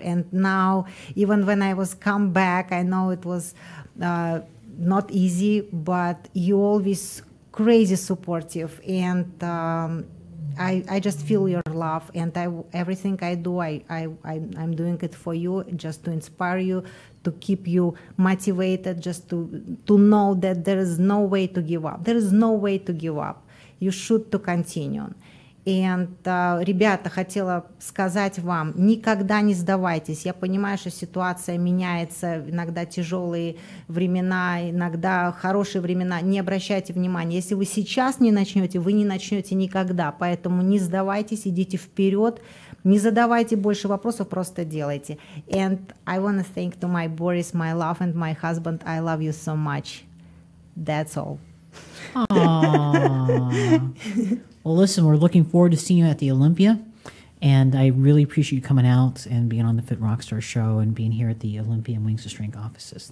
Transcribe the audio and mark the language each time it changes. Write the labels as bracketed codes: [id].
[en] And now, even when I was come back, I know it was not easy, but you always crazy supportive. And I just feel your love. And everything I do, I'm doing it for you, just to inspire you, to keep you motivated, just to know that there is no way to give up. There is no way to give up. You should to continue. [ru] And, ребята, хотела сказать вам, никогда не сдавайтесь. Я понимаю, что ситуация меняется, иногда тяжелые времена, иногда хорошие времена. Не обращайте внимания. Если вы сейчас не начнете, вы не начнете никогда. Поэтому не сдавайтесь, идите вперед. Не задавайте больше вопросов, просто делайте. [en] And I want to thank to my Boris, my love, and my husband. I love you so much. That's all. Well, listen, we're looking forward to seeing you at the Olympia, and I really appreciate you coming out and being on the Fit Rockstar show and being here at the Olympia Wings of Strength offices.